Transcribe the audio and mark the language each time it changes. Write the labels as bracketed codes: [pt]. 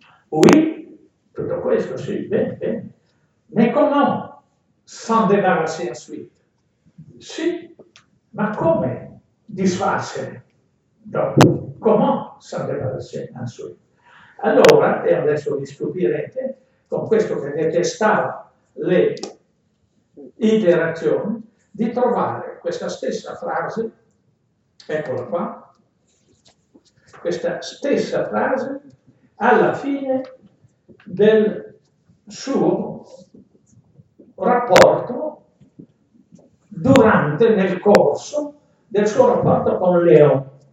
[it] Oui, tutto questo, sì, bene. [fr] Mais comment s'en débarrasser ensuite? [it] Sì, ma come disfarsene dopo? [fr] Comment s'en débarrasser ensuite? [it] Allora, e adesso vi stupirete con questo che detestava le interazioni, di trovare questa stessa frase, eccola qua, questa stessa frase alla fine del suo rapporto, durante, nel corso del suo rapporto con Léon.